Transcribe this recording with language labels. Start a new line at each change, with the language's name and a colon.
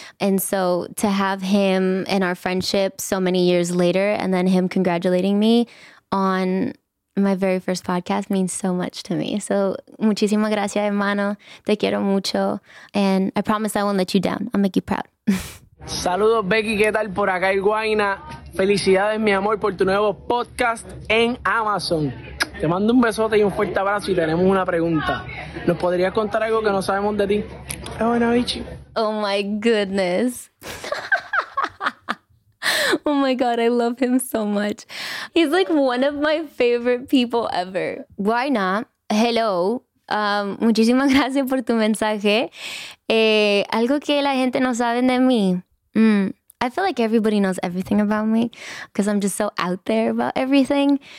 English: And so to have him in our friendship so many years later, and then him congratulating me on my very first podcast means so much to me. So,
Spanish: muchísimas gracias, hermano. Te quiero mucho.
English: And I promise I won't let you down. I'll make you proud.
Spanish: Saludos, Becky. ¿Qué tal? Por acá el Guayna. Felicidades, mi amor, por tu nuevo podcast en Amazon. Te mando un besote y un fuerte abrazo y tenemos una pregunta. ¿Nos podrías contar algo que no sabemos de ti?
English: Oh, no, bichi. Oh, my goodness. Oh my God, I love him so much. He's like one of my favorite people ever. Why not? Hello.
Spanish: Muchísimas gracias por tu mensaje. Algo que la gente no sabe de mí.
English: I feel like everybody knows everything about me because I'm just so out there about everything.